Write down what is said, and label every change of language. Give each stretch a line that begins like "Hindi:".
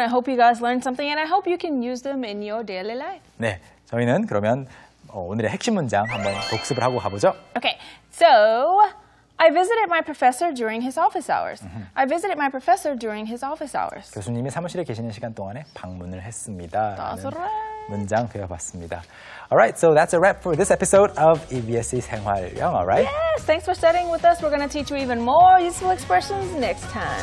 English: I hope you guys learned something and I hope you can use them in your daily life.
Korean: 네. 저희는 그러면 오늘의 핵심 문장 한번 복습을 하고 가보죠.
English: Okay, so I visited my professor during his office hours. I visited my professor during his office hours.
Korean: 교수님이 사무실에 계시는 시간 동안에 방문을 했습니다.
English: That's right.
Korean: 문장 배워봤습니다.
English: Alright, so that's a wrap for this episode of EBSe 생활영어, right? Yes, thanks for studying with us. We're going to teach you even more useful expressions next time.